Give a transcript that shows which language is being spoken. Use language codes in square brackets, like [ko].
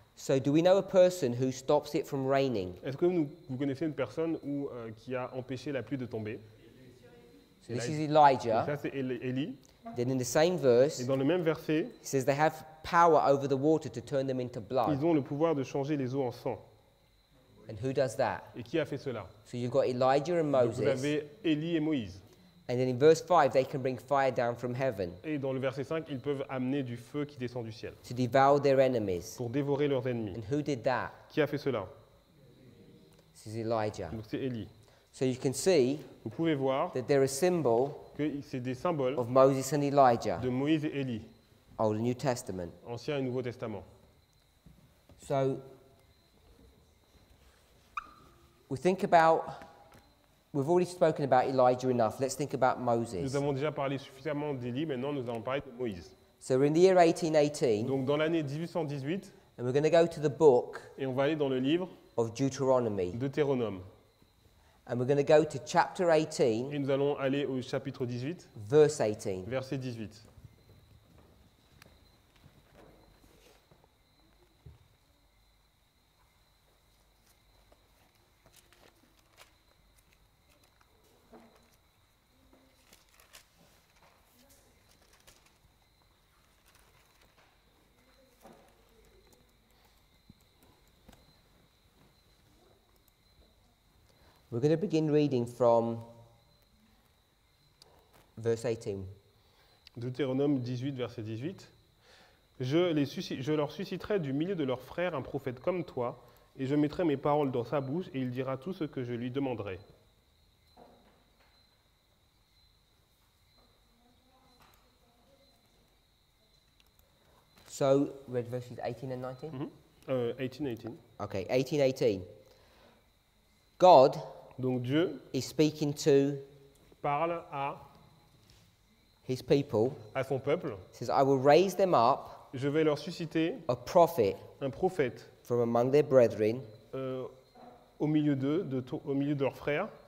[en] So do we know a person who stops it from raining? [fr] Est-ce que vous connaissez une personne qui a empêché la pluie de tomber? [en] So this is Elijah. [fr] Ça c'est Élie. [en] Then in the same verse, [fr] et dans le même verset, [en] he says they have power over the water to turn them into blood. [fr] Ils ont le pouvoir de changer les eaux en sang. [en] And who does that? [fr] Et qui a fait cela? [en] So you've got Elijah and Moses. [fr] Vous avez Élie et Moïse. [en] And then in verse 5, they can bring fire down from heaven. [fr] Et dans le verset 5, ils peuvent amener du feu qui descend du ciel. [en] To devour their enemies. [fr] Pour dévorer leurs ennemis. [en] And who did that? [fr] Qui a fait cela? [en] This is Elijah. [fr] Donc c'est Élie. [en] So you can see, [fr] vous pouvez voir, [en] that they're a symbol. [fr] C'est des symboles [en] of Moses and Elijah, [fr] de Moïse et Élie, [en] Old and New Testament. [fr] Ancien et Nouveau Testament. [en] So, we think about, we've already spoken about Elijah enough. Let's think about Moses. [fr] Nous avons déjà parlé suffisamment d'Élie, maintenant nous allons parler de Moïse. [en] So we're in the year 1818. [fr] Donc dans l'année 1818. [en] And we're going to go to the book. [fr] Et on va aller dans le livre. [en] Of Deuteronomy. [fr] Deutéronome. [en] And we're going to go to chapter 18. [fr] Et nous allons aller au chapitre 18. [en] Verse 18. [fr] Verset 18. [en] We're going to begin reading from verse 18. [fr] Deutéronome 18, verset 18. Je leur susciterai du milieu de leurs frères un prophète comme toi, et je mettrai mes paroles dans sa bouche, et il dira tout ce que je lui demanderai. [en] So, read verses 18 and 19? Mm-hmm. 18. Okay, 18, 18. God... [fr] Donc Dieu [en] is speaking to [fr] parle à [en] his people, [fr] à son peuple. [en] Says, I will raise them up, [fr] je vais leur susciter [en] a prophet, [fr] un prophète, [en] from among their brethren, [fr] au milieu d'eux, au milieu de leurs frères.